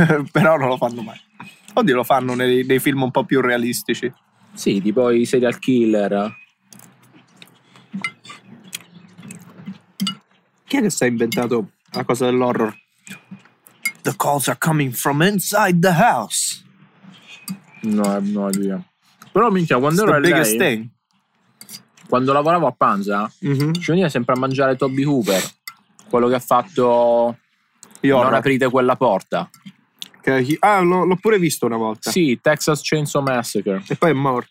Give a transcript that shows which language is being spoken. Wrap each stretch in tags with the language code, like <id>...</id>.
<it>Però non lo fanno mai. Oddio, lo fanno nei film un po' più realistici. Sì, tipo i serial killer. Chi è che si è inventato la cosa dell'horror?</it> <en>The calls are coming from inside the house.</en> <it>No, no, idea. Però minchia, quando ero lei, thing. Quando lavoravo a Panza, ci veniva sempre a mangiare Toby Hooper, quello che ha fatto Non aprite quella porta. L'ho pure visto una volta. Sì, Texas Chainsaw Massacre. E poi è morto.</it>